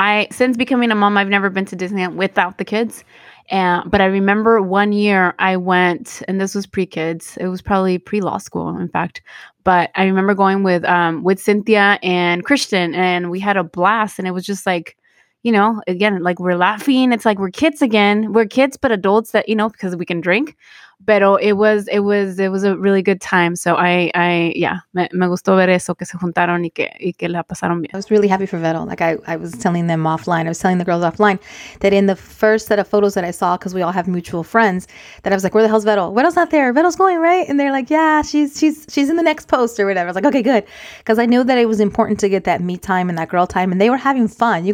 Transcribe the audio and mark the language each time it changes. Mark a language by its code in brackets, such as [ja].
[en] Since becoming a mom, I've never been to Disneyland without the kids. But I remember one year I went, and this was pre-kids. It was probably pre-law school, in fact. But I remember going with Cynthia and Christian, and we had a blast. And it was just like, you know, again, like we're laughing. It's like we're kids again. We're kids, but adults that, you know, because we can drink. Pero it was a really good time. [es] So me gustó ver eso, que se juntaron y que la pasaron bien. [en] I was really happy for Vero. Like I was telling them offline, I was telling the girls offline that in the first set of photos that I saw, because we all have mutual friends, that I was like, where the hell's Vero? Vero's not there. Vero's going, right? And they're like, yeah, she's in the next post or whatever. I was like, okay, good. Because I knew that it was important to get that me time and that girl time. And they were having fun.